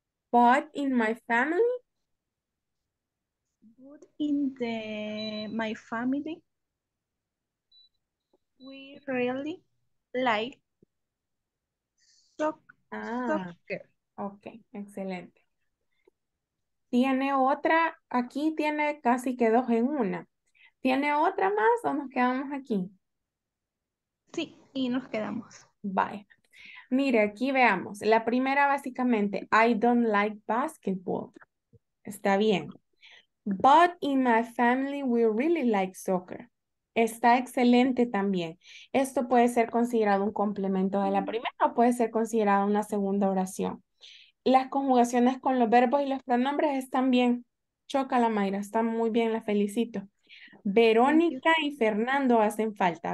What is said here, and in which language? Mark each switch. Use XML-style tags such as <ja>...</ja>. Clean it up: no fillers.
<en>But in my family? But in the my family, we really like soccer.</en> <es>Okay, excelente. Tiene otra, aquí tiene casi que dos en una. ¿Tiene otra más o nos quedamos aquí? Sí, y nos quedamos. Bye. Mire, aquí veamos. La primera básicamente,</es> <en>I don't like basketball.</en> <es>Está bien.</es> <en>But in my family, we really like soccer.</en> <es>Está excelente también. Esto puede ser considerado un complemento de la primera o puede ser considerado una segunda oración. Las conjugaciones con los verbos y los pronombres están bien. Chócala, Mayra. Está muy bien, la felicito. Verónica y Fernando hacen falta.</es>